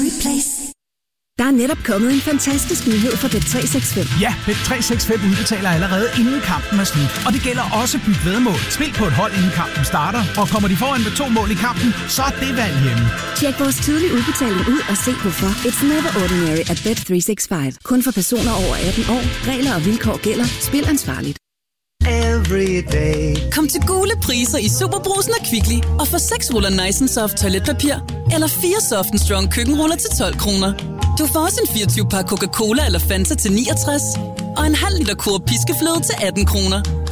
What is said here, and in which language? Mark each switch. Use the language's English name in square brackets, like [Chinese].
[Danish] replace. Der er netop kommet en fantastisk nyhed fra Bet365. Ja, Bet365 udbetaler allerede inden kampen er slut. Og det gælder også byg vedmål. Spil på et hold, inden kampen starter. Og kommer de foran med 2 mål i kampen, så er det valg hjemme. Tjek vores tidlige udbetaling ud og se hvorfor. [English] It's never ordinary at Bet365. [Danish] Kun for personer over 18 år. Regler og vilkår gælder. Spil ansvarligt. [English] Every day. [Danish] Kom til gule priser i Superbrugsen og Kvickly og få 6 ruller Nice & Soft toiletpapir eller 4 Soft & Strong køkkenruller til 12 kroner. Du får også en 24-pak Coca-Cola eller Fanta til 69 og en halv liter Coop piskefløde til 18 kroner.